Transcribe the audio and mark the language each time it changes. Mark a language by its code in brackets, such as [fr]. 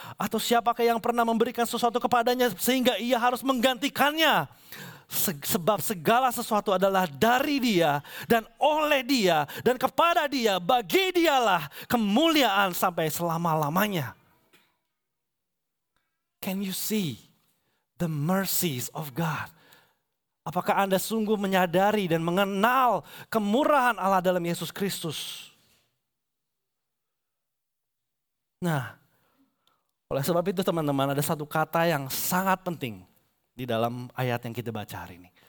[id] Atau siapakah yang pernah memberikan sesuatu kepadanya sehingga ia harus menggantikannya? Sebab segala sesuatu adalah dari dia dan oleh dia dan kepada dia, bagi dialah kemuliaan sampai selama-lamanya. [en] Can you see the mercies of God? [id] Apakah Anda sungguh menyadari dan mengenal kemurahan Allah dalam Yesus Kristus? Nah, oleh sebab itu teman-teman, ada satu kata yang sangat penting di dalam ayat yang kita baca hari ini.